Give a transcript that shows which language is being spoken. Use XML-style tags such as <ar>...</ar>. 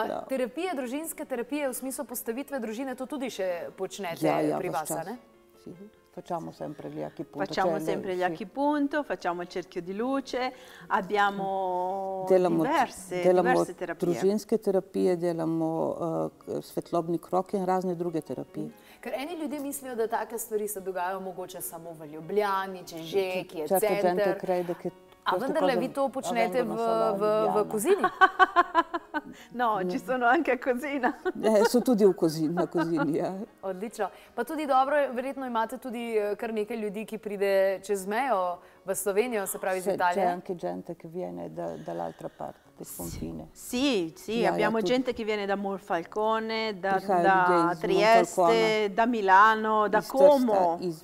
<sl>Terapije, družinske terapije, v smislu postavitve družine, to tudi še počnete pri vas, a ne?</sl> <it>Sì. Facciamo sempre gli acupunto. Facciamo sempre gli acupunto, facciamo il cerchio di luce, abbiamo diverse terapie.</it> <sl>Družinske terapije, delamo svetlobni krok in razne druge terapije. Ker eni ljudje mislijo, da take stvari se dogajajo mogoče samo v Ljubljani, če že, ki je center. Čakaj, gente kraj, da ke A vendarle, vi to počnete v Kozini?</sl> <it>No, ci sono anche a Kozina.</it> <sl>So tudi v Kozini, na Kozini, ja. Odlično. Pa tudi dobro, verjetno imate tudi kar nekaj ljudi, ki pride čez mejo v Slovenijo, se pravi z Italije.</sl> <it>C'è anche gente che viene dall'altra parte, del confine. Sì, sì, abbiamo gente che viene da Monfalcone, da Trieste, da Milano, da Como.</it>